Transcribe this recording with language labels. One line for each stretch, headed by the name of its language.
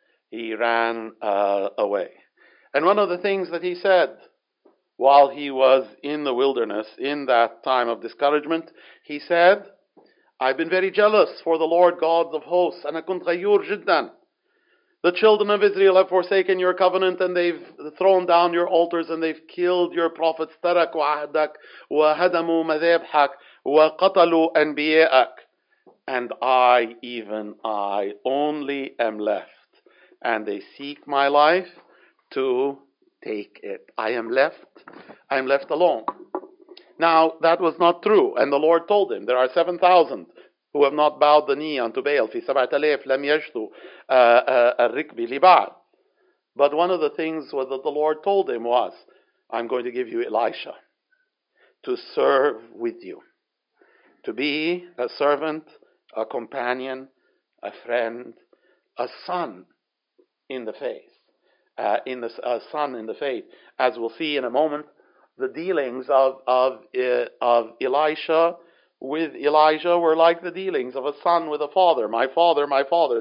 English: And one of the things that he said while he was in the wilderness, in that time of discouragement, he said, I've been very jealous for the Lord God of hosts, and I
Arabic: كنت غيور جدا.
English: The children of Israel have forsaken your covenant and they've thrown down your altars and they've killed your prophets.
Arabic: تركوا عهدك وهدموا مذابحك وقتلوا أنبياءك.
English: And I only am left. And they seek my life to take it. I am left alone. Now, that was not true. And the Lord told him, there are 7,000. Who have not bowed the knee unto Baal,
Arabic: في سبعة آلاف لم يجدوا الركب لبعض.
English: But one of the things that the Lord told him was, I'm going to give you Elisha to serve with you, to be a servant, a companion, a friend, a son in the faith, as we'll see in a moment, the dealings of Elisha with Elijah were like the dealings of a son with a father. My father, my father.